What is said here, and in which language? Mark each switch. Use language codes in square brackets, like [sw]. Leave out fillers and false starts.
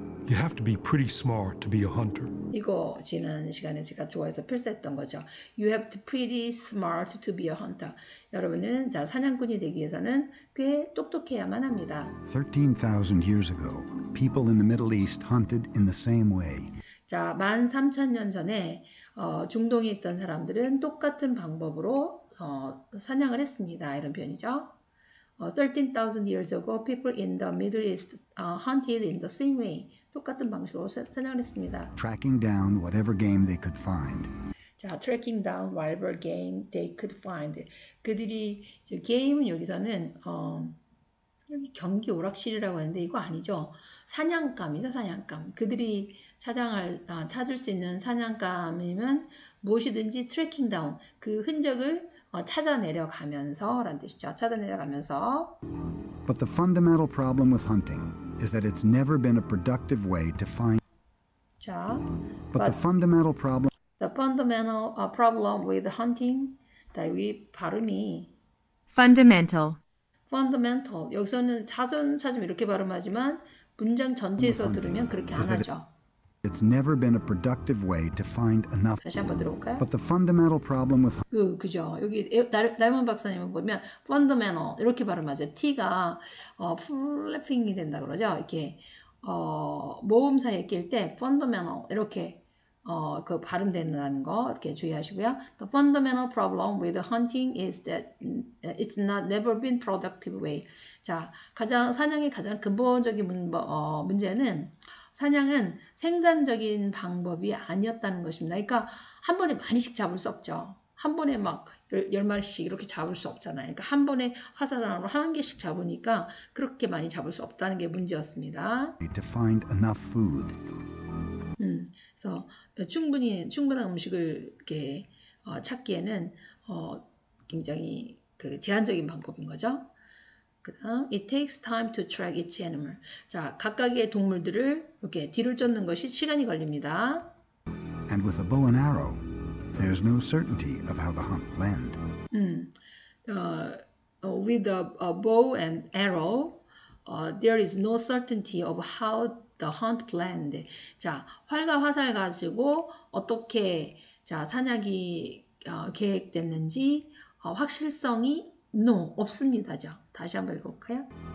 [en] You have to be pretty smart to be a hunter. [ko] 이거 지난 시간에 제가 좋아해서 필사했던 거죠. [en] You have to be pretty smart to be a hunter. [ko] 여러분은 자 사냥꾼이 되기 위해서는 꽤 똑똑해야만 합니다. [en] 13,000 years ago, people in the Middle East hunted in the same way. [ko] 자, 13,000년 전에 중동에 있던 사람들은 똑같은 방법으로 사냥을 했습니다. 이런 표현이죠. [en] 13,000 years ago, people in the Middle East hunted in the same way. [ko] 똑같은 방식으로 사냥을 했습니다. [en] Tracking down whatever game they could find. [ko] 자, [en] tracking down whatever game they could find. [ko] 그들이 이제 게임은 여기서는 여기 경기 오락실이라고 하는데 이거 아니죠? 사냥감이죠, 사냥감. 그들이 찾을 수 있는 사냥감이면 무엇이든지 [en] tracking down [ko] 그 흔적을 찾아내려가면서란 뜻이죠. 찾아내려가면서. [en] But the fundamental problem with hunting. Is that it's never been a productive way to find. [ko] 자, [en] but the fundamental problem. The fundamental problem with hunting. [ko] 자, 여기 발음이 [en] fundamental. Fundamental. [ko] 여기서는 자존차점 이렇게 발음하지만 문장 전체에서 들으면 그렇게 안 하죠. [en] It's never been a productive way to find enough. [ko] 다시 한번 들어볼까요? [en] But the fundamental problem with [ko] 그죠. 여기 다이먼 박사님을 보면 fundamental 이렇게 발음하죠. T가 flapping이 된다 그러죠. 이렇게 모음 사이에 낄 때 fundamental 이렇게 그 발음된다는 거 이렇게 주의하시고요. [en] The fundamental problem with hunting is that it's not never been productive way. [ko] 자, 사냥의 가장 근본적인 문제는 사냥은 생산적인 방법이 아니었다는 것입니다. 그러니까 한 번에 많이씩 잡을 수 없죠. 한 번에 막 열 마리씩 이렇게 잡을 수 없잖아요. 그러니까 한 번에 화살으로 한 개씩 잡으니까 그렇게 많이 잡을 수 없다는 게 문제였습니다. [en] To find enough food. [ko] 그래서 충분한 음식을 이렇게 찾기에는 굉장히 그 제한적인 방법인 거죠. 그다음 [en] it takes time to track each animal. [ko] 자, 각각의 동물들을 이렇게 뒤를 쫓는 것이 시간이 걸립니다. [en] And with a bow and arrow, there's no certainty of how the hunt will end. With a bow and arrow, there is no certainty of how the hunt will end. [ko] 자, 활과 화살 가지고 어떻게 사냥이 계획됐는지 확실성이 no 없습니다죠. 다시 한번 읽어볼까요?